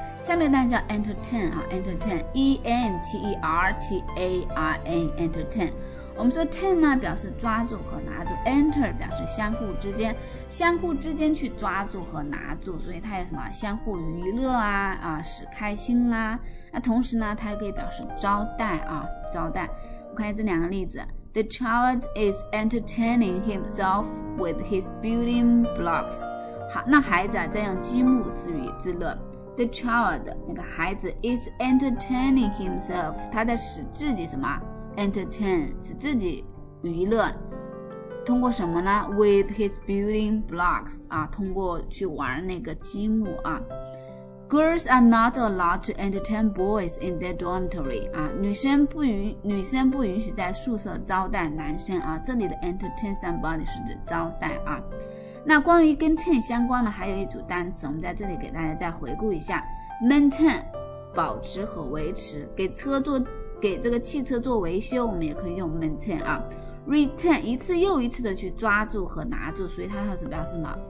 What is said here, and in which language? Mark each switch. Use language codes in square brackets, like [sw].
[zh] 下面单词叫 entertain 啊 ，entertain，E-N-T-E-R-T-A-I-N，entertain。我们说 turn 呢表示抓住和拿住， enter 表示相互之间，相互之间去抓住和拿住，所以它有什么相互娱乐啊啊，使开心啦、啊。那同时呢，它也可以表示招待啊，招待。我看这两个例子 [en] ，The child is entertaining himself with his building blocks。 [zh] 好，那孩子啊在用积木自娱自乐。 [en] The child [zh] 那个孩子 [en] is entertaining himself， [zh] 他在使自己什么？ entertain 是自己娱乐，通过什么呢 ？ [en] With his building blocks [zh] 啊，通过去玩那个积木啊。 [en] Girls are not allowed to entertain boys in their dormitory 啊， [zh] 女生不允许在宿舍招待男生啊。这里的 entertain somebody 是指招待啊。那关于跟 turn 相关的还有一组单词，我们在这里给大家再回顾一下 ：maintain 保持和维持，给这个汽车做维修，我们也可以用 maintain 啊 ，retain 一次又一次的去抓住和拿住，所以它还是表示什么？